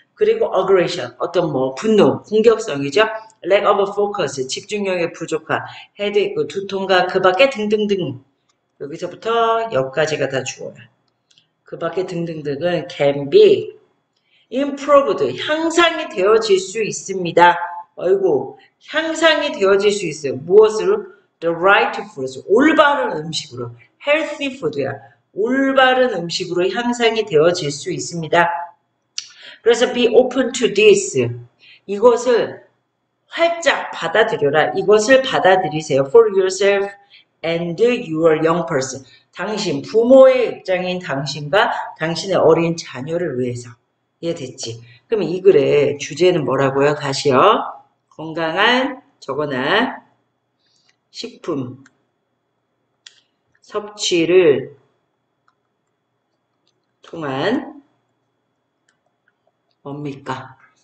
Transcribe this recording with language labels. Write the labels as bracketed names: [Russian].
[Korean] 그리고 [English] aggression, [Korean] 어떤 뭐 분노, 공격성이죠? [English] lack of focus, [Korean] 집중력의 부족함, 헤드 있고 두통과 그 밖에 등등등. 여기서부터 여기까지가 다 주어요. 그 밖에 등등등은 [English] can be improved, [Korean] 향상이 되어질 수 있습니다. 아이고, 향상이 되어질 수 있어요. 무엇으로? [English] The right foods, [Korean] 올바른 음식으로. [English] healthy food야. [Korean] 올바른 음식으로 향상이 되어질 수 있습니다. 그래서 [English] be open to this. [Korean] 이것을 활짝 받아들여라. 이것을 받아들이세요. [English] For yourself and your young person. [Korean] 당신, 부모의 입장인 당신과 당신의 어린 자녀를 위해서. 이해됐지? 그럼 이 글의 주제는 뭐라고요? 다시요. 건강한 저거나 식품 섭취를 통한 뭡니까?